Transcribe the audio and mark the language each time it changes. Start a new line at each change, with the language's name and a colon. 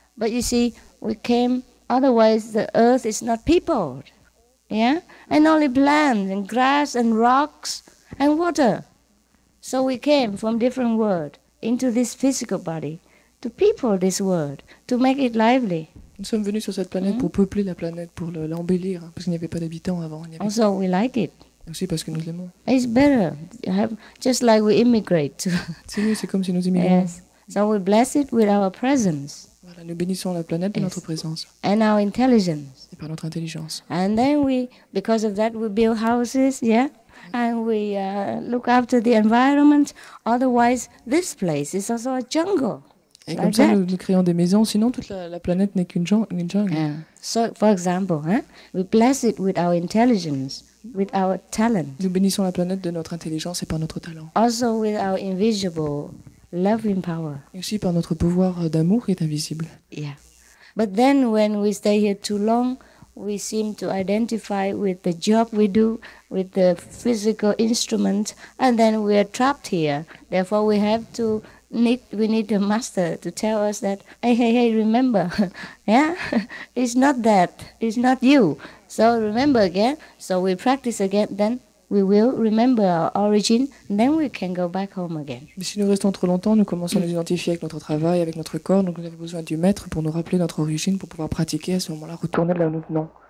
English: But you see, we came, otherwise the earth is not peopled. Yeah? And only plants and grass and rocks and water. So we came from different world into this physical body to people this world, to make it lively.
French: Nous sommes venus sur cette planète pour peupler la planète, pour l'embellir, parce qu'il n'y avait pas d'habitants avant.
English: Also, we like it.
French: Merci parce que nous aimons.
English: It's better. Just like we immigrate.
French: C'est mieux, c'est comme si nous immigrions.
English: Yes. So we bless it with our presence.
French: Voilà, nous bénissons la planète de notre présence.
English: And our intelligence.
French: Et par notre intelligence.
English: And then we, because of that, we build houses, yeah? And we look after the environment. Otherwise, this place is also a jungle.
French: Et comme ça, nous créons des maisons. Sinon, toute la planète n'est qu'une jungle.
English: Yeah. So, for example, we bless it with our intelligence, with our talent.
French: Nous bénissons la planète de notre intelligence et par notre talent.
English: Also with our invisible loving power.
French: Et aussi par notre pouvoir d'amour qui est invisible.
English: Yeah. But then, when we stay here too long, we seem to identify with the job we do, with the physical instrument, and then we are trapped here. Therefore, we need a master to tell us that, hey, remember, yeah, it's not that, it's not you. So remember again. So we practice again. Then we will remember our origin. Then we can go back home again.
French: Mais si nous restons trop longtemps, nous commençons à nous identifier avec notre travail, avec notre corps. Donc nous avons besoin du maître pour nous rappeler notre origine, pour pouvoir pratiquer à ce moment-là, retourner là où nous venons.